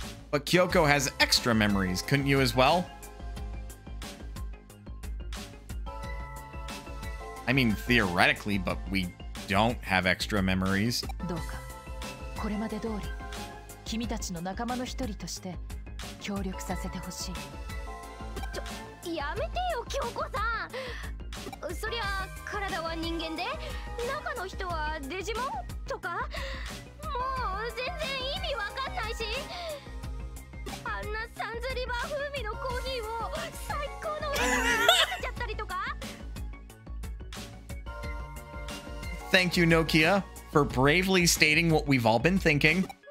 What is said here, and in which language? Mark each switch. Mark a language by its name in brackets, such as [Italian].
[English] But Kyoko has extra memories, couldn't you as well? I mean, theoretically, but we don't have extra memories. [Japanese] これまで通り、君たちの仲間の一人として協力させてほしい。ちょ、やめてよ、京子さん。そりゃ、体は人間で、中の人はデジモンとか、もう全然意味わかんないし。あんなサンズリバー風味のコーヒーを最高のお茶に入れちゃったりとか。 [English] Thank you, Nokia. For bravely stating what we've all been thinking.